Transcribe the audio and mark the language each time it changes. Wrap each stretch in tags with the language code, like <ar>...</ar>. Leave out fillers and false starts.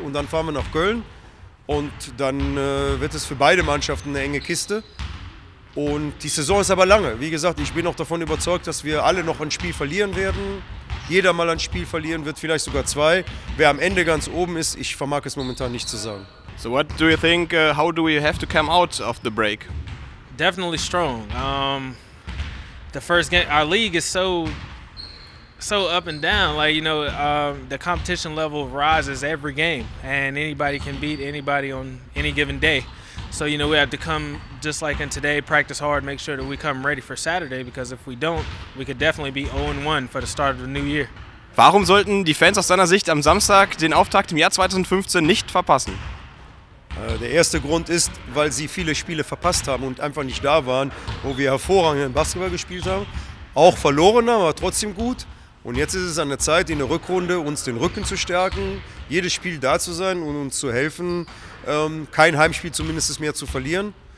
<de>Und dann fahren wir nach Köln und dann wird es für beide Mannschaften eine enge Kiste. Und die Saison ist aber lange. Wie gesagt, ich bin auch davon überzeugt, dass wir alle noch ein Spiel verlieren werden. Jeder mal ein Spiel verlieren wird, vielleicht sogar 2. Wer am Ende ganz oben ist, ich vermag es momentan nicht zu sagen.</de> <en>So what do you think, how do we have to come out of the break? Definitely strong. The first game, our league is so up and down. Like, you know, the competition level rises every game and anybody can beat anybody on any given day. So, you know, we have to come just like in today, practice hard, make sure that we come ready for Saturday, because if we don't, we could definitely be 0-1 for the start of the new year.</en> <de>Warum sollten die Fans aus deiner Sicht am Samstag den Auftakt im Jahr 2015 nicht verpassen? Der erste Grund ist, weil sie viele Spiele verpasst haben und einfach nicht da waren, wo wir hervorragend Basketball gespielt haben. Auch verloren haben, aber trotzdem gut. Und jetzt ist es an der Zeit, in der Rückrunde uns den Rücken zu stärken, jedes Spiel da zu sein und uns zu helfen, kein Heimspiel zumindest mehr zu verlieren.</de>